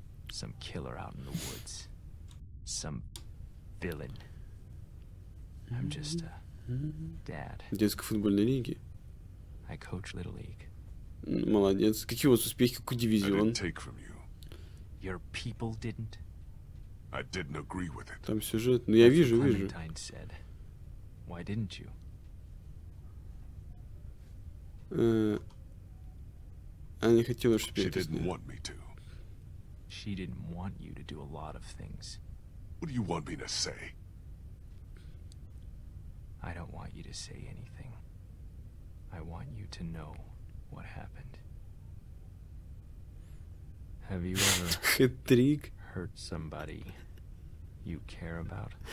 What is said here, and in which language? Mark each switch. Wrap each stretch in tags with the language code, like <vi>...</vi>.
<en>Some killer out in the woods. Some villain. I'm just a Dad.</en> <ru>Детской футбольной лиги.</ru> <en>I coach Little League.</en> <ru>Молодец. Какие у вас успехи? Какой дивизион?</ru> <en>Your people didn't. I didn't agree with it.</en> <ru>Там сюжет. Ну я вижу, вижу.</ru> <en>Why didn't you?</en> <ru>Она не хотела, чтобы я это сделал.</ru> <en>She didn't want you to do a lot of things. What do you want me to say? I don't want you to say anything. I want you to know what happened. Have you ever hurt somebody you care about?</en>